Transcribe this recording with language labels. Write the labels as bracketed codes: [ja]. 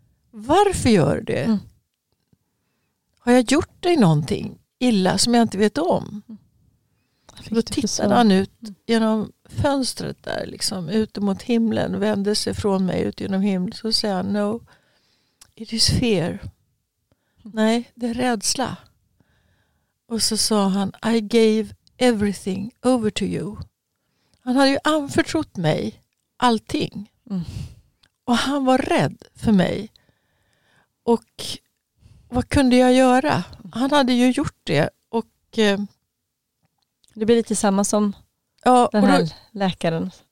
[sv] Varför gör det? Har jag gjort dig någonting illa som jag inte vet om? Då tittade han ut genom fönstret där, liksom, ut mot himlen, vände sig från mig ut genom himlen, så säger han, [en] no, it is fear. [sv] Nej, det är rädsla. Och så sa han, [en] I gave everything over to you. [sv] Han hade ju anförtrott mig allting. Och han var rädd för mig. Och vad kunde jag göra? Han hade ju gjort det. Och det blir lite samma som den här läkaren.